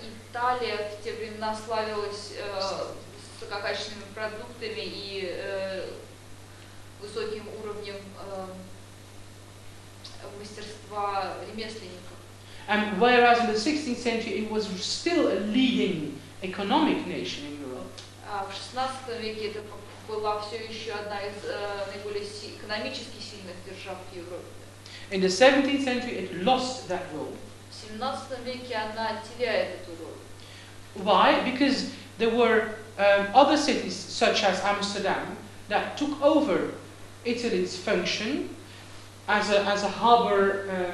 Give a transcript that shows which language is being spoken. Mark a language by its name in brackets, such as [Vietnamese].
[Russian] Италия в те времена славилась высококачественными продуктами и высоким уровнем мастерства ремесленников. [English] And whereas in the 16th century it was still a leading economic nation in Europe. [Russian] В 16 веке это была все еще одна из наиболее экономически сильных держав в Европе. [English] In the 17th century it lost that role. [Russian] В 17 веке она теряет эту роль. [English] Why? Because there were other cities such as Amsterdam that took over Italy's function as a harbor.